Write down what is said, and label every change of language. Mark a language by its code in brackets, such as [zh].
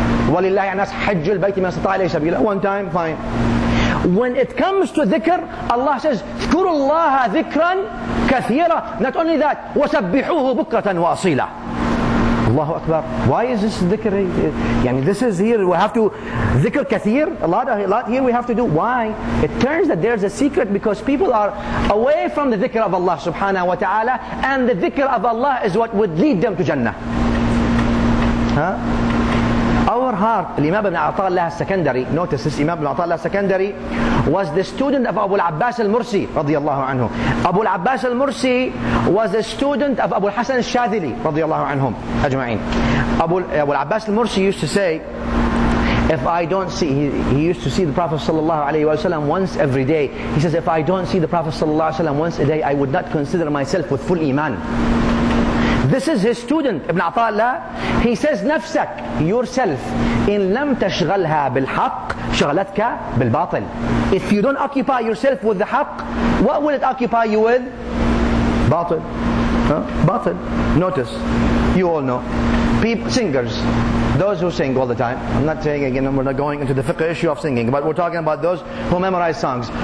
[ar] ولله يعني ناس حج البيت من استطاع إليه سبيلا. [en] One time. Fine. When it comes to dhikr, Allah says, [ar] اذكروا الله ذكرا كثيرا. [en] Not only that, [ar] وسبحوه بكرة وأصيلا. [en] Allahu Akbar. Why is this dhikr? Yani this is here, we have to, dhikr كثير, a lot here we have to do. Why? It turns that there's a secret because people are away from the dhikr of Allah subhanahu wa ta'ala, and the dhikr of Allah is what would lead them to Jannah. Huh? Our heart, Imam Ibn Atta Allah al-Sakandari, notice this, Imam Ibn Atta Allah al-Sakandari was the student of Abu al-Abbas al-Mursi, radiyallahu anhu. Abu al-Abbas al-Mursi was a student of Abu al-Hasan al-Shadhili, radiyallahu anhum, ajma'in. Abu al-Abbas al-Mursi used to say, if I don't see, he used to see the Prophet sallallahu alayhi wa sallam once every day. He says, if I don't see the Prophet sallallahu alayhi wa sallam once a day, I would not consider myself with full iman. This is his student, Ibn Atta'Allah. He says, [ar] نفسك, [en] yourself, [ar] إن لم تشغلها بالحق, شغلتك بالباطل. [en] If you don't occupy yourself with the حق, what will it occupy you with? باطل. Huh? باطل. Notice, you all know. People, singers, those who sing all the time. I'm not saying again, we're not going into the fiqh issue of singing, but we're talking about those who memorize songs.